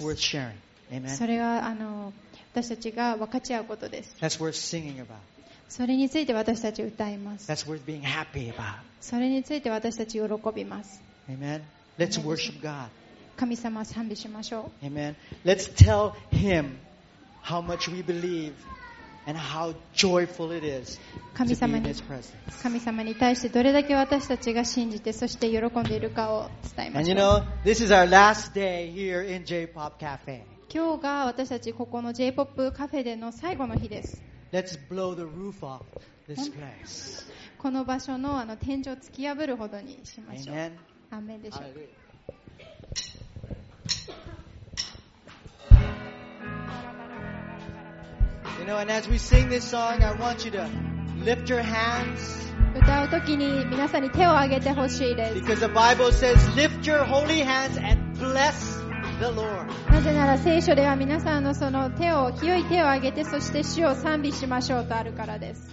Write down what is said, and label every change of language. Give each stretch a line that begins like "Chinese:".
English: That's worth sharing. Amen.
Japanese: それは私たちが分かち合うことです。
English: That's worth singing about.
Japanese: それについて私たち歌います。
English: That's worth being happy about.
Japanese: それについて私たち喜びます。
English: Amen. Let's worship God.
Japanese: 神様を賛美しましょう。
English: Amen. Let's tell Him how much we believe and how joyful it is to be in His presence.
Japanese: 神様に対してどれだけ私たちが信じてそして喜んでいるかを伝えましょう。
English: And you know, this is our last day here in J-pop cafe.
Japanese: 今日が私たちここの J-pop カフェでの最後の日です。
English: Let's blow the roof off this place.
Japanese: この場所の天井を突き破るほどにしましょう。
English: Amen.
Japanese: アーメンでしょうか。
English: You know, and as we sing this song, I want you to lift your hands.
Japanese: 歌うときに皆さんに手を挙げてほしいです。
English: Because the Bible says, lift your holy hands and bless. The Lord.
Japanese: なぜなら聖書では皆さんのその手を清い手を挙げてそして主を賛美しましょうとあるからです。